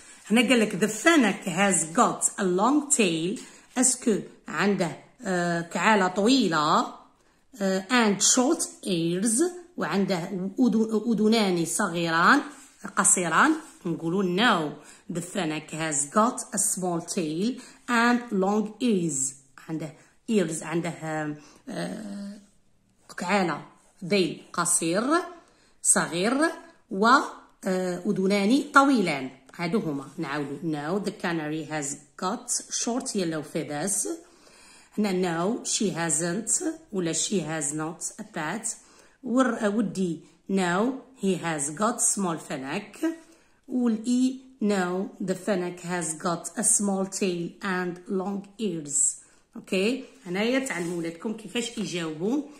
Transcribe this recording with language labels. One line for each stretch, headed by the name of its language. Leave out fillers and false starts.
Arabic: هنا قال لك
English: the fennec has got a long tail.
Arabic: اسكو عنده كعالة طويلة
English: and short ears،
Arabic: وعنده أذنان صغيران قصيران؟ نقولوا
English: no the fennec has got a small tail and long ears،
Arabic: عنده ears عنده كعالة ذيل قصير صغير وأذنان طويلان. هادو هما نعاودو
English: no the canary has got short yellow feathers.
Arabic: هنا
English: no she hasn't ولا she has not a pet.
Arabic: ودي
English: no he has got small fennec.
Arabic: والإي
English: no the fennec has got a small tail and long ears.
Arabic: اوكي هنا يتعلموا لكم كيفاش يجاوبوا.